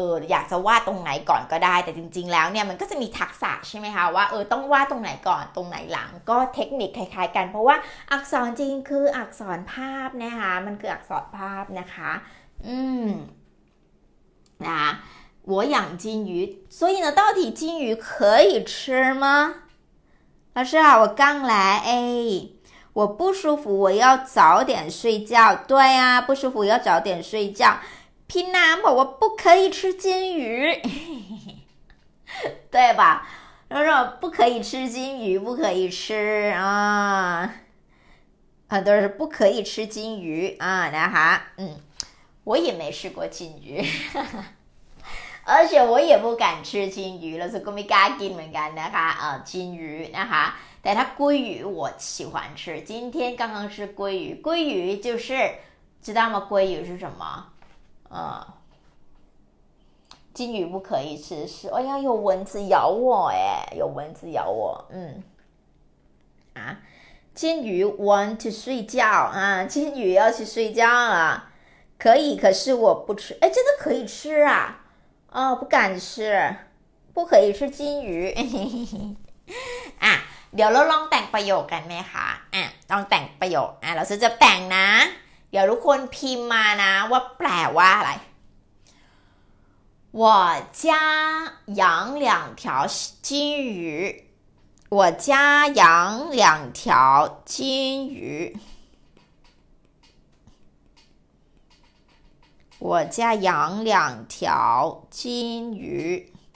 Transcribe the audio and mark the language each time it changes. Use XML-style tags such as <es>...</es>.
<th>อยากจะวาดตรงไหนก่อนก็ได้แต่จริงๆแล้วเนี่ยมันก็จะมีทักษะใช่ไหมคะว่าต้องวาดตรงไหนก่อนตรงไหนหลังก็เทคนิคคล้ายๆกันเพราะว่าอักษรจีนคืออักษรภาพนะคะมันคืออักษรภาพนะคะนะ</th> <zh>我养金鱼，所以呢，到底金鱼可以吃吗？老师啊，我刚来，哎，我不舒服，我要早点睡觉。对啊，不舒服要早点睡觉。拼男宝，我不可以吃金鱼，对吧？他说不可以吃金鱼，不可以吃啊，很多人是不可以吃金鱼啊，那哈，我也没试过金鱼。而且我也不敢吃金鱼了，所以我没敢给你们干的哈。金鱼，那哈，但它鲑鱼我喜欢吃。今天刚刚吃鲑鱼，鲑鱼就是知道吗？鲑鱼是什么？金鱼不可以吃，是哎呀，有蚊子咬我哎，有蚊子咬我。金鱼</zh> <en>want to</en> <zh>睡觉啊，金鱼要去睡觉了。可以，可是我不吃。哎，真的可以吃啊？哦，不敢吃，不可以吃金鱼。</zh> <th>เดี๋ยวเราลองแต่งประโยคกันไหมคะต้องแต่งประโยคเราจะแต่งนะเดี๋ยวทุกคนพิมพ์มานะว่าแปลว่าอะไร</th> <zh>我家养两条金鱼，我家养两条金鱼，我家养两条金鱼。</zh>